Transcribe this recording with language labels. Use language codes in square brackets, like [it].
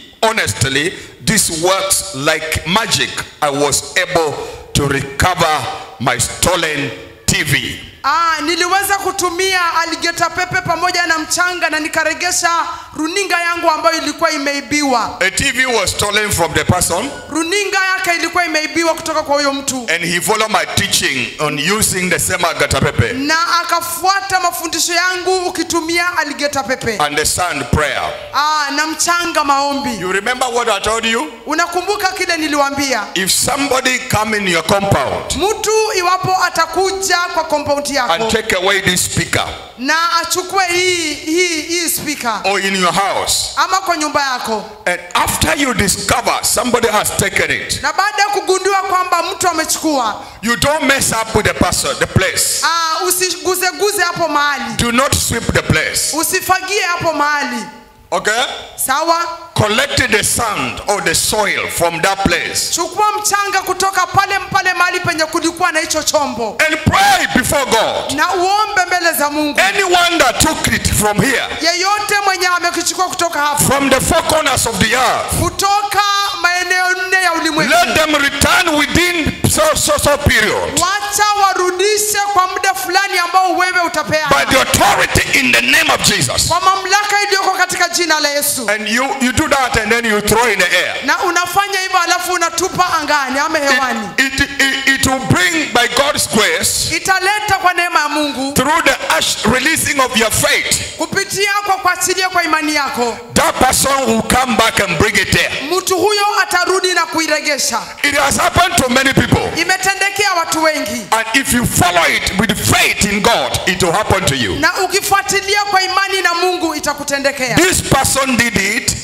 [en] Honestly, this works like magic. I was able to recover my stolen TV. [sw] Niliweza kutumia Aligeta Pepe pamoja na mchanga na nikaregesha runinga yangu ambayo ilikuwa imeibiwa. [en] A TV was stolen from the person. [sw] Runinga yake ilikuwa imeibiwa kutoka kwa huyo mtu. [en] And he followed my teaching on using the same Agata Pepe. [sw] Na akafuata mafundisho yangu ukitumia Aligeta Pepe. [en] And the sand prayer. [sw] Na mchanga maombi. [en] You remember what I told you? [sw] Unakumbuka kile niliwaambia? [en] If somebody come in your compound. [sw] Mtu iwapo atakuja kwa compound. [en] And take away this speaker. [sw] Na achukue hii speaker. [en] Or in your house. [sw] Ama kwa nyumba yako. [en] And after you discover somebody has taken it. [sw] Na baada kugundua kwamba mtu amechukua. [en] You don't mess up with the person, the place. [sw] Usiguze hapo mahali. [en] Do not sweep the place. [sw] Usifagie hapo mahali. [en] Okay? [sw] Sawa? [en] Collect the sand or the soil from that place. [sw] Chukua mchanga kutoka pale mpale mahali penye kulikuwa na hicho chombo. [en] And pray before God. [sw] Na uombe mbele za Mungu. [en] Anyone that took it from here. [sw] Yeyote mwenye amekichukua kutoka hapa. [en] From the four corners of the earth. [sw] Kutoka maeneo nne ya ulimwengu. [en] Let them return within so period. [sw] Wacha warudishe kwa muda fulani ambao wewe utapeana. [en] By the authority in the name of Jesus. [sw] Kwa mamlaka iliyoko katika jina la Yesu. [en] And you do that and then you throw in the air. [sw] Na unafanya hivyo alafu unatupa angani ama hewani. [en] It will bring by God's grace. [sw] Italeta kwa neema ya Mungu. [en] Through the ash releasing of your faith. [sw] Kupitia kwa kuachilia kwa imani yako. [en] That person will come back and bring it there. [sw] Mtu huyo atarudi na kuiregesha. [en] It has happened to many people. [sw] Imetendekea watu wengi. [en] And if you follow it with faith in God, it will happen to you. [sw] Na ukifuatilia kwa imani na Mungu itakutendekea. [en] This person did it.